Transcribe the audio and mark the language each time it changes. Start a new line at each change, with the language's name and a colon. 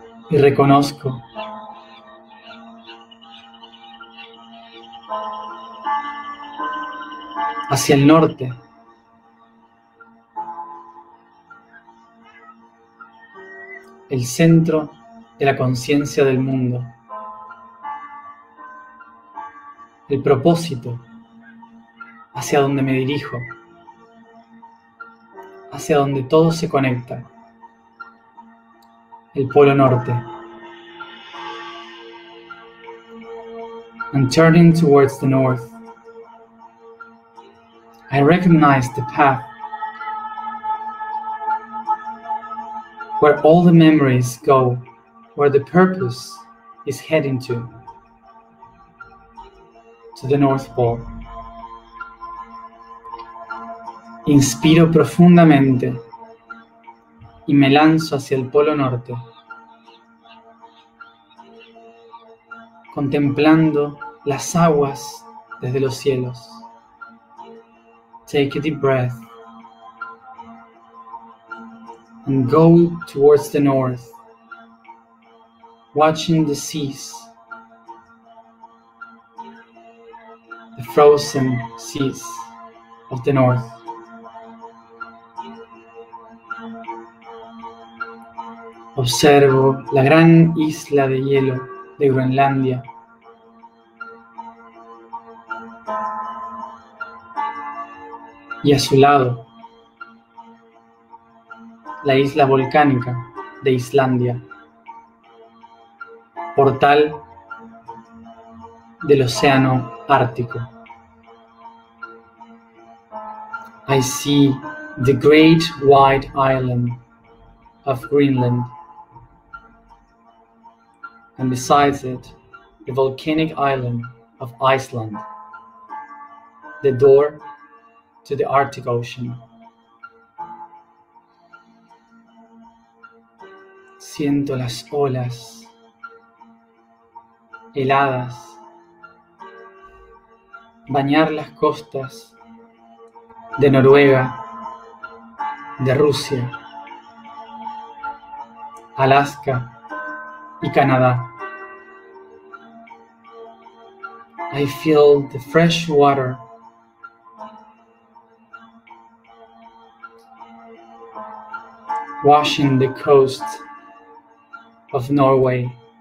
Spanish: Y reconozco hacia el norte, el centro de la conciencia del mundo, el propósito hacia donde me dirijo, hacia donde todo se conecta, el polo norte.
English: And turning towards the north, I recognize the path where all the memories go, where the purpose is heading to the North Pole.
Spanish: Inspiro profundamente y me lanzo hacia el Polo Norte, contemplando las aguas desde los cielos.
English: Take a deep breath and go towards the north, watching the seas, the frozen seas of the north.
Spanish: Observo la gran isla de hielo de Groenlandia. Y a su lado, la isla volcánica de Islandia, portal del océano Ártico.
English: I see the great white island of Greenland, and besides it, the volcanic island of Iceland, the door to the Arctic Ocean.
Spanish: Siento las olas heladas bañar las costas de Noruega, de Rusia, Alaska y Canadá.
English: I feel the fresh water washing the coast of Norway